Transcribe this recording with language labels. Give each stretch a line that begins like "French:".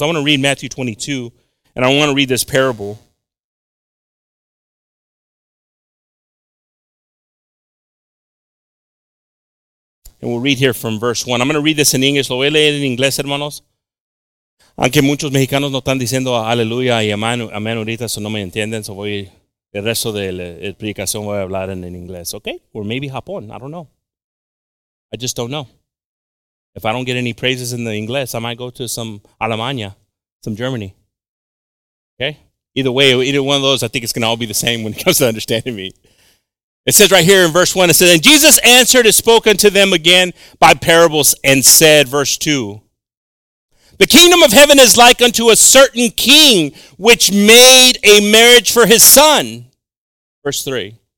English: I want to read Matthew 22, and I want to read this parable. And we'll read here from verse 1. I'm going to read this in English.
Spanish: Lo voy a leer en inglés, hermanos. Aunque muchos mexicanos no están diciendo aleluya y amén ahorita, so no me entienden, so voy, el resto de la predicación voy a hablar en inglés, okay?
English: Or maybe Japón, I don't know. I just don't know. If I don't get any praises in the inglés, I might go to some Alemania, some Germany. Okay? Either one of those, I think it's going to all be the same when it comes to understanding me. It says right here in verse 1, it says, and Jesus answered and spoke unto them again by parables and said, verse 2, the kingdom of heaven is like unto a certain king which made a marriage for his son. Verse 3.